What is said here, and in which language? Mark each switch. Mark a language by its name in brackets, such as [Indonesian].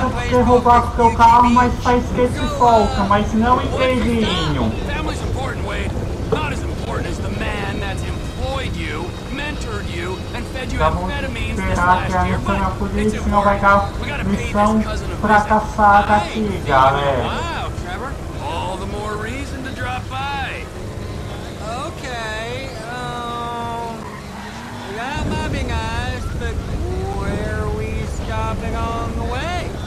[Portuguese] Eu vou roubar o teu carro, mas tá escrito que volta, mas não inteirinho. [English] Family's important, Wade. Not as important as the man that employed you, mentored you, and fed you amphetamines this last year. [Portuguese] Vamos esperar que a missão é polícia, senão vai dar missão fracassada aqui, galera. [English] Wow, Trevor. All the more reason to drop by. Okay, that might be nice, but where are we stopping on the way?